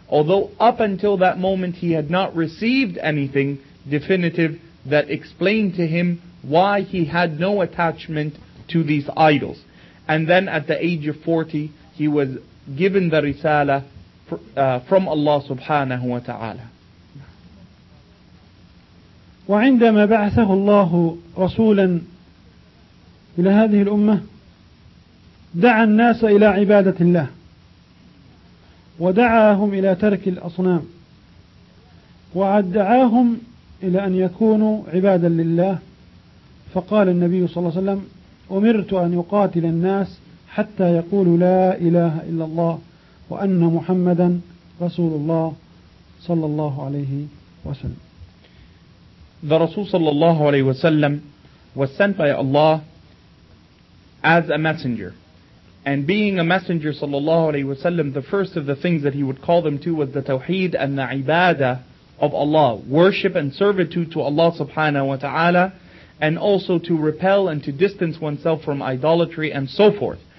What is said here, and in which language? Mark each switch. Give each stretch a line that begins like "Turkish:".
English: Although up until that moment he had not received anything definitive that explained to him why he had no attachment to these idols. And then at the age of 40, he was given the risala from Allah subhanahu wa ta'ala.
Arabic: وعندما بعثه الله رسولا إلى هذه الأمة دعا الناس إلى عبادة الله ودعاهم إلى ترك الأصنام ودعاهم إلى أن يكونوا عبادا لله، فقال النبي صلى الله عليه وسلم أمرت أن يقاتل الناس حتى يقولوا لا إله إلا الله وأن محمدا رسول الله صلى الله عليه وسلم.
English: The Rasul sallallahu alayhi wa sallam was sent by Allah as a messenger. And being a messenger sallallahu alayhi wa sallam, the first of the things that he would call them to was the tawheed and the ibadah of Allah, worship and servitude to Allah subhanahu wa ta'ala, and also to repel and to distance oneself from idolatry and so forth.